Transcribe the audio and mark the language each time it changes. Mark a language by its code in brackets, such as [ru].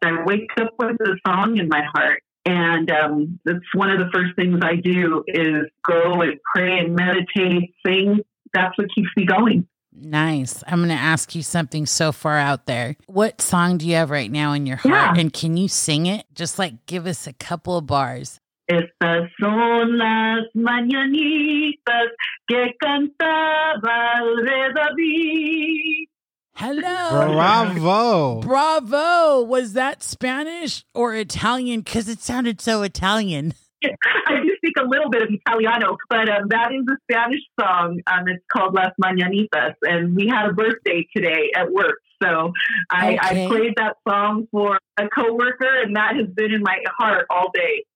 [en] I wake up with a song in my heart. And that's one of the first things I do is go and pray and meditate, sing. That's what keeps me going. Nice. I'm going to ask you something so far out there. What song do you have right now in your heart? Yeah. And can you sing it? Just like give us a couple of bars. [es] Estas son las mañanitas que cantaba el rey David. [en] Hello. Bravo. Bravo. Was that Spanish or Italian? Because it sounded so Italian. I do speak a little bit of Italiano, but that is a Spanish song. It's called Las Mañanitas, and we had a birthday today at work. So I played that song for a coworker, and that has been in my heart all day.